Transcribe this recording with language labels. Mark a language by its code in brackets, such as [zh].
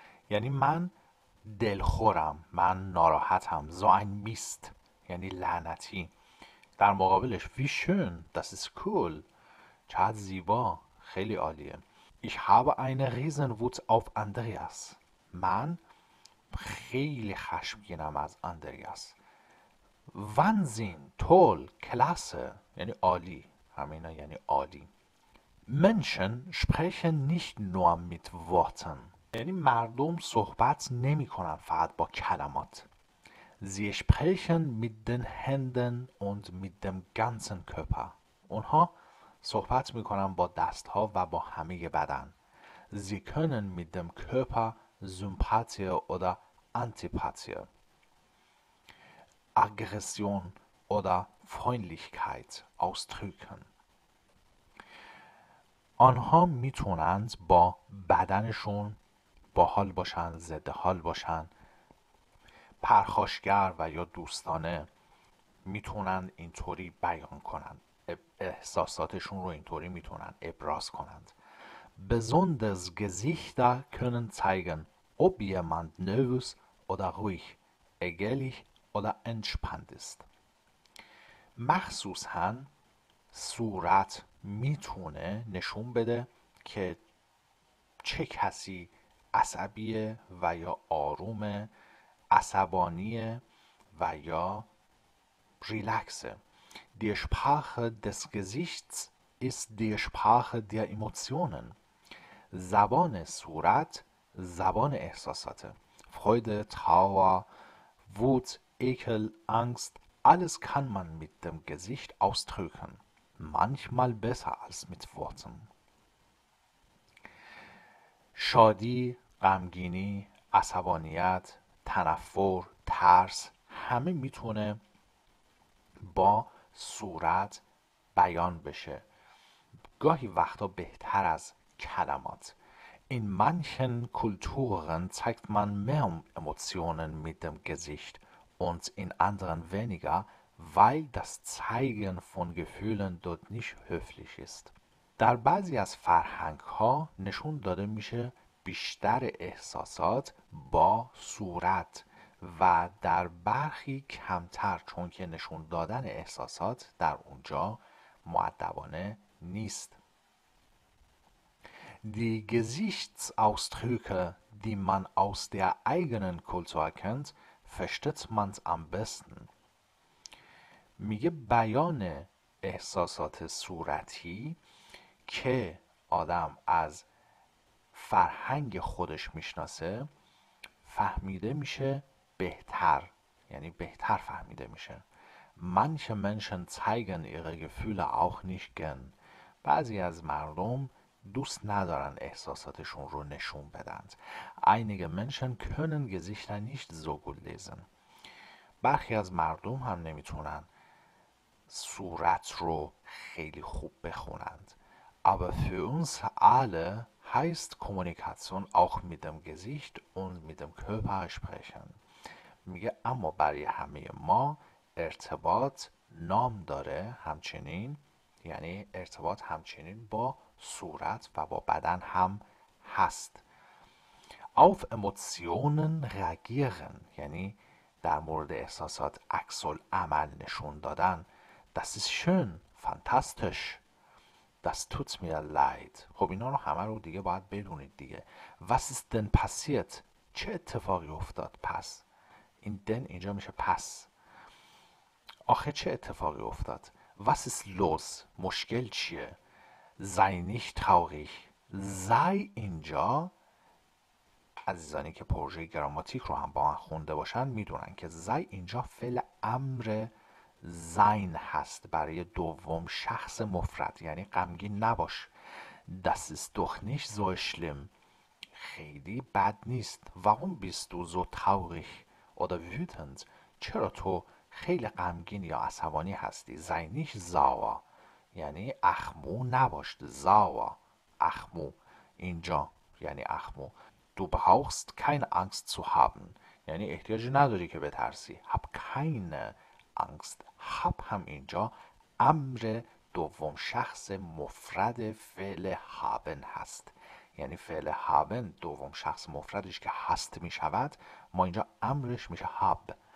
[fa] یعنی من دلخورم، من ناراحتم. [de] So ein Mist, [fa] یعنی لعنتی. در مقابلش, [de] wie schön, das ist cool. [fa] چقدر زیبا، خیلی عالیه. [de] Ich habe eine Riesenwut auf Andreas. [fa] من خیلی خشمگینم از Andreas. [de] Wahnsinn, toll, klasse. [fa] یعنی عالی، همینا یعنی عالی. [de] Menschen sprechen nicht nur mit Worten. [fa] یعنی مردم صحبت نمی کنن فقط با کلمات. [de] Sie sprechen mit den Händen und mit dem ganzen Körper. [fa] اونها صحبت می کنن با دست ها و با همه بدن. [de] Sie können mit dem Körper Sympathie oder Antipathie. Aggression oder Freundlichkeit ausdrücken. [fa] آنها میتونند با بدنشون باحال باشن، ضد حال باشن، پرخاشگر و یا دوستانه. میتونند اینطوری بیان کنند، احساساتشون رو اینطوری میتونند ابراز کنند. [de] Besonders Gesichter können zeigen, ob jemand nervös oder ruhig, ängstlich oder entspannt ist. [fa] مخصوصاً صورت میتونه نشون بده که چه کسی عصبیه و یا آرومه، عصبانیه و یا ریلکسه. [de] Die Sprache des Gesichts ist die Sprache der Emotionen. [fa] زبان صورت زبان احساسات، [de] فرویده، تاور، ووت، اکل، انگست، alles kann man mit dem Gesicht ausdrücken, manchmal besser als mit Worten. [fa] شادی، غمگینی، عصبانیت، تنفر، ترس، همه میتونه با صورت بیان بشه. گاهی وقتا بهتر از کلمات. [de] In manchen Kulturen zeigt man mehr Emotionen mit dem Gesicht und in anderen weniger, weil das Zeigen von Gefühlen dort nicht höflich ist. [fa] در بعضی از فرهنگ‌ها نشون داده میشه بیشتر احساسات با صورت و در برخی کمتر، چون که نشون دادن احساسات در اونجا مؤدبانه نیست. [de] Die Gesichtsausdrücke, die man aus der eigenen Kultur kennt, versteht man am besten. [fa] میگه بیان احساسات صورتی که آدم از فرهنگ خودش میشناسه فهمیده میشه بهتر، یعنی بهتر فهمیده میشه. [de] Manche Menschen zeigen ihre Gefühle auch nicht gern. [fa] بعضی از مردم دوست ندارن احساساتشون رو نشون بدن. [de] Einige Menschen können Gesichter nicht so gut lesen. [fa] برخی از مردم هم نمیتونن صورت رو خیلی خوب بخونند. [de] Aber für uns alle heißt Kommunikation auch mit dem Gesicht und mit dem Körper sprechen. [fa] میگه اما برای همه ما ارتباط نام داره همچنین، یعنی ارتباط همچنین با صورت و با بدن هم هست. [de] Auf Emotionen reagieren، [fa] یعنی در مورد احساسات عکس العمل نشون دادن. [de] Das ist schön, fantastisch. Das tut mir leid. [fa] خب اینا رو همه رو دیگه باید بدونید دیگه. [de] Was ist denn passiert؟ [fa] چه اتفاقی افتاد پس؟ این دن اینجا میشه پس. آخه چه اتفاقی افتاد؟ [de] Was ist los؟ [fa] مشکل چیه؟ [de] Sei nicht traurig. [fa] Sei اینجا، عزیزانی که پروژه گراماتیک رو هم با من خونده باشن میدونن که sei اینجا فعل امر sein هست برای دوم شخص مفرد، یعنی غمگین نباش. [de] Das ist doch nicht so schlimm. [fa] خیلی بد نیست. [de] Warum bist du so traurig oder wütend؟ [fa] چرا تو خیلی غمگین یا عصبانی هستی؟ [de] Sei nicht sauer. [fa] یعنی اخمو نباش. Sauer. اخمو. اینجا یعنی اخمو. [de] Du brauchst keine Angst zu haben. [fa] یعنی احتیاج نداری که بترسی. [de] Hab keine Angst. [fa] Hab هم اینجا امر دوم شخص مفرد فعل haben هست، یعنی فعل haben دوم شخص مفردش که هست می شود، ما اینجا امرش میشه hab.